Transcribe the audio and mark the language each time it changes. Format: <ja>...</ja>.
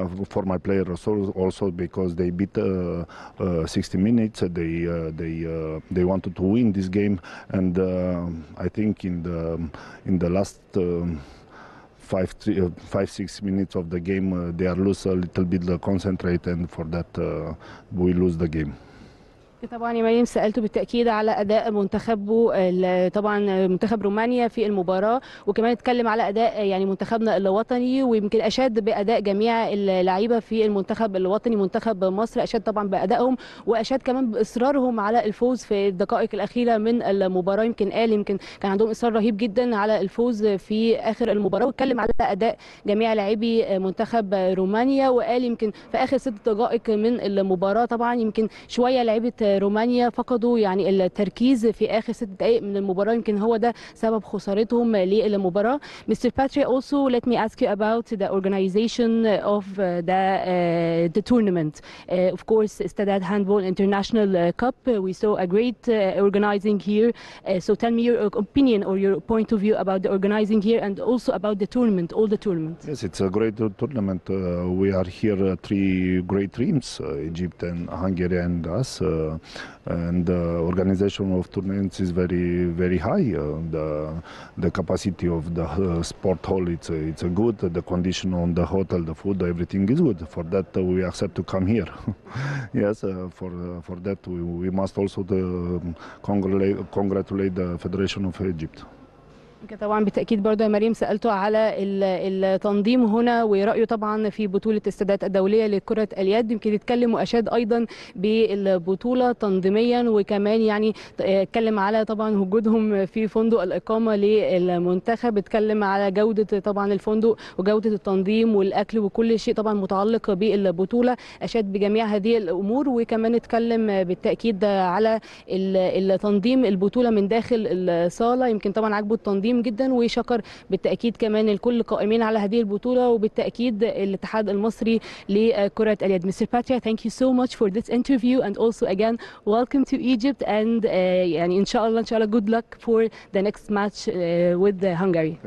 <en>For my players also because they beat 60 minutes, they wanted to win this game, and I think in the last. Five, six minutes of the game, they are lose a little bit the concentrate, and for that, we lose the game.</en> <ar>طبعا يا مريم سالته بالتاكيد على اداء منتخبه طبعا منتخب رومانيا في المباراه، وكمان اتكلم على اداء يعني منتخبنا الوطني، ويمكن اشاد باداء جميع اللعيبه في المنتخب الوطني منتخب مصر، اشاد طبعا بادائهم واشاد كمان باصرارهم على الفوز في الدقائق الاخيره من المباراه. يمكن قال يمكن كان عندهم اصرار رهيب جدا على الفوز في اخر المباراه، واتكلم على اداء جميع لاعبي منتخب رومانيا، وقال يمكن في اخر 6 دقائق من المباراه طبعا يمكن شويه لعيبه رومانيا فقدوا يعني التركيز في اخر 6 دقائق من المباراه، يمكن هو ده سبب خسارتهم للمباراه.</ar> <en>Mr. Patria, also let me ask you about the organization of the tournament. Of course, Estadad Handball International Cup, we saw a great organizing here. So tell me your opinion or your point of view about the organizing here and also about the tournament, all the tournament. Yes, it's a great tournament. We are here three great teams, Egypt and Hungary and us. And the organization of tournaments is very, very high. The capacity of the sport hall, it's a good. The condition on the hotel, the food, everything is good. For that, we accept to come here. Yes, for that, we must also congratulate the Federation of Egypt.</en> <ar>طبعا بالتأكيد برضو يا مريم سألته على التنظيم هنا ورأيه طبعا في بطولة السادات الدولية لكرة اليد، يمكن يتكلم وأشاد أيضا بالبطولة تنظيميا، وكمان يعني اتكلم على طبعا وجودهم في فندق الإقامة للمنتخب، اتكلم على جودة طبعا الفندق وجودة التنظيم والأكل وكل شيء طبعا متعلق بالبطولة، أشاد بجميع هذه الأمور، وكمان اتكلم بالتأكيد على التنظيم البطولة من داخل الصالة، يمكن طبعا عجبه التنظيم جدا، وشكر بالتأكيد كمان الكل قائمين على هذه البطولة وبالتأكيد الاتحاد المصري لكرة اليد.</ar> <en>Mr. Patria, thank you so much for this interview and also again welcome to Egypt and</en> <ar>يعني إن شاء الله</ar> <en>good luck for the next match with Hungary.</en>